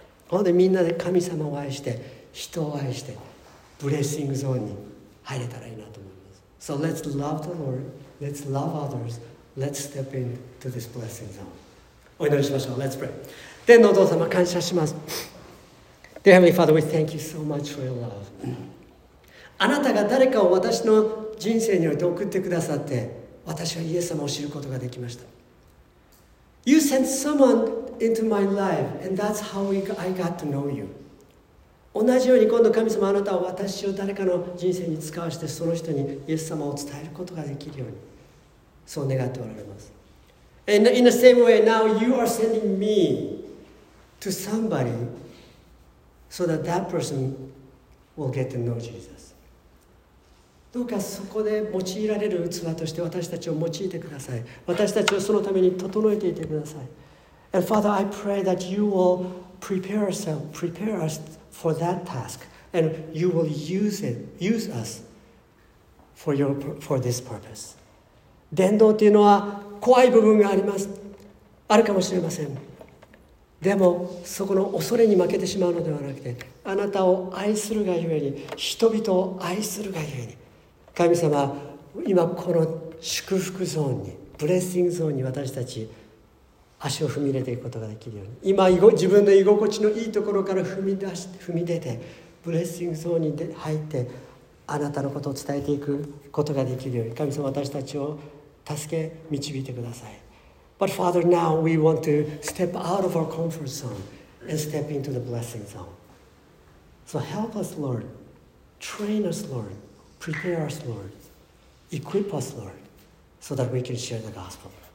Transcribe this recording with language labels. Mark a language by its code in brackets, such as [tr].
[ja] なのでみんなで神様を愛して、人を愛して、ブレッシングゾーンに入れたらいいなと思います。 [en] So let's love the Lord, let's love others, let's step into this blessing zone. [ja] お祈りしましょう。 [en] Let's pray. [ja] 天のお父様、感謝します。 [en] Dear Heavenly Father, we thank you so much for your love. [ja] あなたが誰かを私の人生において送ってくださって、私はイエス様を知ることができました。 [en] You sent someone into my life, and that's how I got to know you. [ja] 同じように今度神様、あなたは私を誰かの人生に使わして、その人にイエス様を伝えることができるように、そう願っておられます。 [en] And in the same way, now you are sending me to somebody so that that person will get to know Jesus. [ja] どうかそこで用いられる器として私たちを用いてください。私たちをそのために整えていてください。 [en] And Father, I pray that you will prepare us for that task, and you will use us for this purpose. [ja] 伝道というのは怖い部分があります。あるかもしれません。でもそこの恐れに負けてしまうのではなくて、あなたを愛するがゆえに、人々を愛するがゆえに、神様、今この祝福ゾーンに、ブレッシングゾーンに私たち足を踏み入れていくことができるように。今自分の居心地のいいところから踏み出て、ブレッシングゾーンに入って、あなたのことを伝えていくことができるように。神様、私たちを助け、導いてください。 [en] But Father, now we want to step out of our comfort zone and step into the blessing zone. So help us, Lord. Train us, Lord. Prepare us, Lord. Equip us, Lord, so that we can share the gospel.